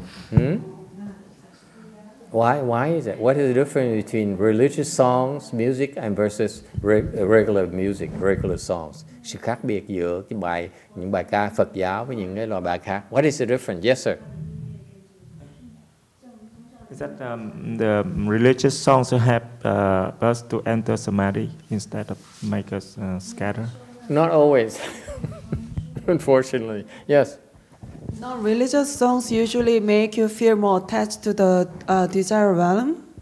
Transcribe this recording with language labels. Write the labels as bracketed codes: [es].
[en] Hmm? Why is that? What is the difference between religious songs, music, and versus regular music, regular songs? [vi] Sự khác biệt giữa cái bài những bài ca Phật giáo với những cái loại bài khác. [en] What is the difference? Yes, sir. Is that the religious songs help us to enter samadhi instead of make us scatter? Not always, unfortunately. Yes. Non-religious songs usually make you feel more attached to the desire realm.